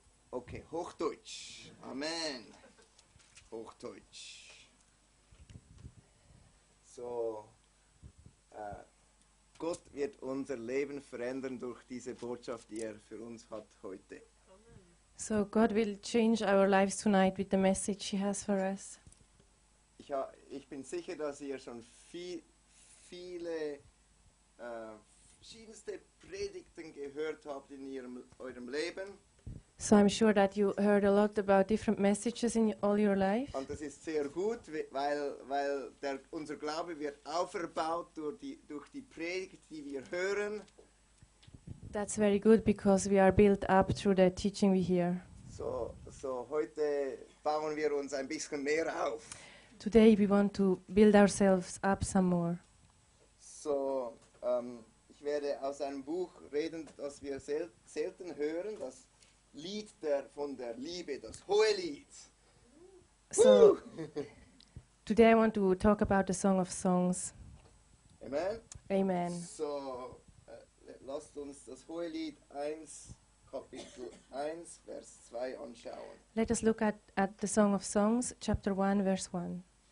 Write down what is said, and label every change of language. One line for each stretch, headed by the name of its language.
German: Okay, Hochdeutsch. Amen. Hochdeutsch. So. Gott wird unser Leben verändern durch diese Botschaft, die er für uns hat heute.
English: So God will change our lives tonight with the message he has for us.
German: Ich bin sicher, dass ihr schon viele verschiedenste Predigten gehört habt in eurem Leben.
English: So I'm sure that you heard a lot about different messages in all your life.
German: Und das ist sehr gut, weil unser Glaube wird aufgebaut durch die Predigt, die wir hören.
English: That's very good because we are built up through the teaching we hear.
German: So heute bauen wir uns ein bisschen mehr auf.
English: Today we want to build ourselves up some more.
German: So ich werde aus einem Buch reden, das wir selten hören, das Lied von der Liebe, das Hohelied.
English: So today I want to talk about the Song of Songs. Amen. Amen.
German: So lasst uns das Hohelied 1, Kapitel 1, Vers 2 anschauen.
English: Let us look at the Song of Songs, Chapter 1, Verse 1.